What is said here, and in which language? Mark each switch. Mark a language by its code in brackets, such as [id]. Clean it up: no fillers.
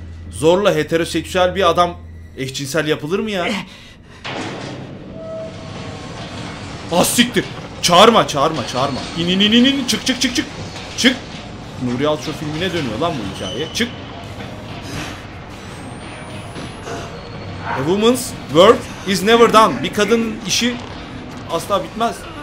[tr] Zorla heteroseksüel bir adam eşcinsel yapılır mı ya? Ah siktir. Çağırma. İn. Çık. Çık. Nuri Alço filmine dönüyor lan bu hikaye. Çık. [en] A woman's work is never done. [tr] Bir kadının işi asla bitmez.